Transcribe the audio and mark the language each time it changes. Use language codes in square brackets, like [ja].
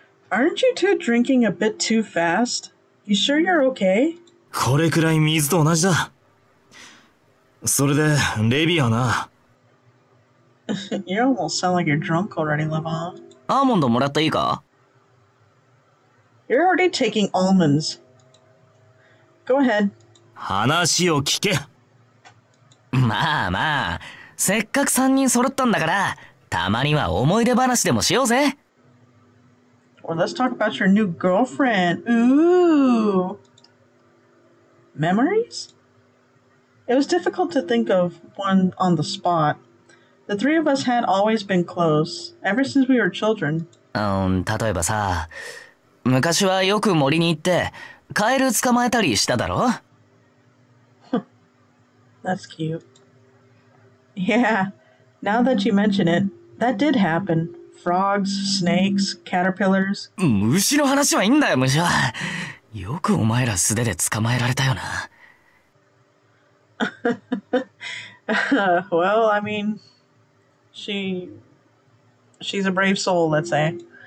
[en] Aren't you two drinking a bit too fast? You sure you're okay? [ja] これくらい水と同じだ。それで、レビはな。 [en] You almost sound like you're drunk already, Levan. [ja] アーモンドもらっていいか? [en] You're already taking almonds. Go ahead. [ja] 話を聞け。まあまあ、せっかく三人揃ったんだから、たまには思い出話でもしようぜ。 [en] Well, let's talk about your new girlfriend. Ooh! Memories? It was difficult to think of one on the spot. The three of us had always been close, ever since we were children. [ja] 例えばさ、昔はよく森に行って、カエル捕まえたりしただろ? [en] That's cute. Yeah, now that you mention it, that did happen. Frogs, snakes, caterpillars. [ja] 虫の話はいいんだよ、虫は。よくお前ら素手で捕まえられたよな。 [en] well, I mean, she's a brave soul, let's say.